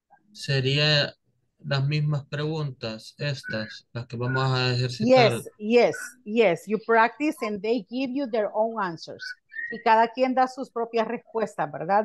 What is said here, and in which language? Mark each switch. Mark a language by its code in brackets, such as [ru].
[es] Sería las mismas preguntas, estas, las que vamos a ejercitar. [en] Yes, yes, yes. You practice and they give you their own answers. [es] Y cada quien da sus propias respuestas, ¿verdad?